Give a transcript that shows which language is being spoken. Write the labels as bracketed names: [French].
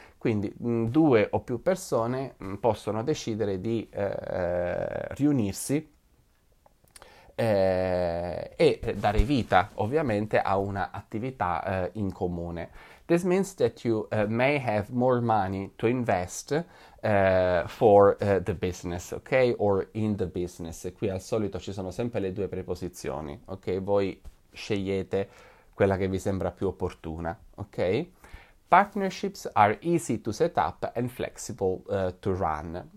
[Italian] Quindi due o più persone possono decidere di riunirsi e dare vita ovviamente a un'attività in comune. [English] This means that you may have more money to invest for the business, ok? Or in the business. [Italian] Qui al solito ci sono sempre le due preposizioni, ok? Voi scegliete quella che vi sembra più opportuna, ok? [English] Partnerships are easy to set up and flexible to run.